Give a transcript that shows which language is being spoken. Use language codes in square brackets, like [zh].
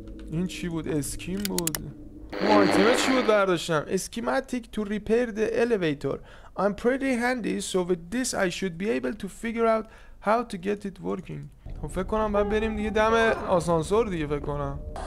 [fa] این چی بود؟ اسکیم بود؟ مایتمه چی بود برداشتم؟ [en] Schematic to repair the elevator. I'm pretty handy so with this I should be able to figure out how to get it working. [fa] خب فکر کنم باید بریم دیگه دم آسانسور دیگه فکر کنم.